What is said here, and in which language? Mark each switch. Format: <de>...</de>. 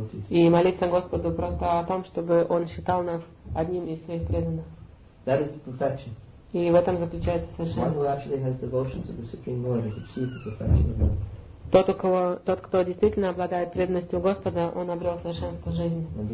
<ru>И молиться Господу просто о том, чтобы Он считал нас одним из своих преданных.</ru> <en>That is the perfection.</en> <ru>И в этом заключается совершенно.</ru> <en>One who actually has devotion to the Supreme Lord has achieved the perfection of life.</en> <ru>Тот, кто действительно обладает преданностью Господа, он обрел совершенство жизни.</ru>